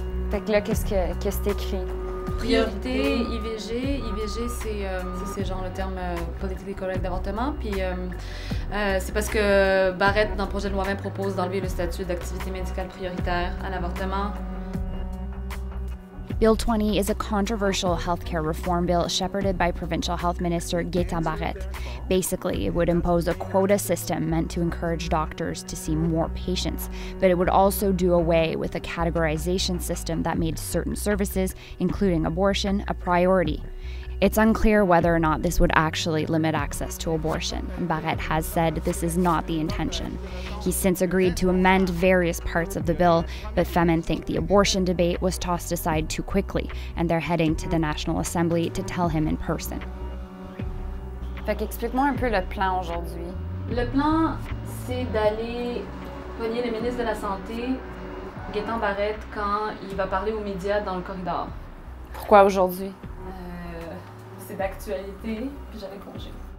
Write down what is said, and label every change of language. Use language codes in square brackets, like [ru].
[fr] Fait que là, qu'est-ce que t'es écrit? Priorité, IVG. IVG, c'est genre le terme [en] politically correct [fr] d'avortement. Puis c'est parce que Barrette, dans le projet de loi 20, propose d'enlever le statut d'activité médicale prioritaire à l'avortement. [en] Bill 20 is a controversial healthcare reform bill shepherded by Provincial Health Minister Gaétan Barrette. Basically, it would impose a quota system meant to encourage doctors to see more patients, but it would also do away with a categorization system that made certain services, including abortion, a priority. It's unclear whether or not this would actually limit access to abortion. Barrette has said this is not the intention. He's since agreed to amend various parts of the bill, but Femen think the abortion debate was tossed aside too quickly, and they're heading to the National Assembly to tell him in person. [fr] Fait qu'explique-moi un peu le plan aujourd'hui. Le plan, c'est d'aller pogner le ministre de la Santé, Gaétan Barrette, quand il va parler aux médias dans le corridor. Pourquoi aujourd'hui? C'est d'actualité, puis j'avais congé.